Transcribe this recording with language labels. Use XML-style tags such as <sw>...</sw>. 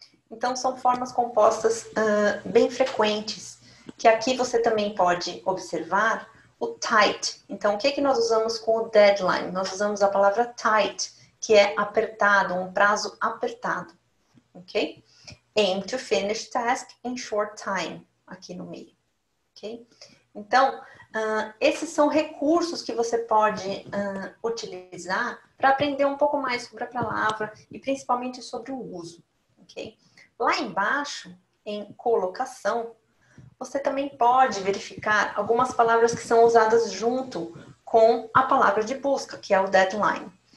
<pt>Então, são formas compostas bem frequentes, que aqui você também pode observar o tight. Então, o que, que nós usamos com o deadline? Nós usamos a palavra tight, que é apertado, um prazo apertado, ok?</pt> <en>Aim to finish task in short time,</en> <pt>aqui no meio,</pt> <en>ok?</en> <pt>Então, esses são recursos que você pode utilizar para aprender um pouco mais sobre a palavra e principalmente sobre o uso, ok? Lá embaixo, em colocação, você também pode verificar algumas palavras que são usadas junto com a palavra de busca, que é o deadline.</pt>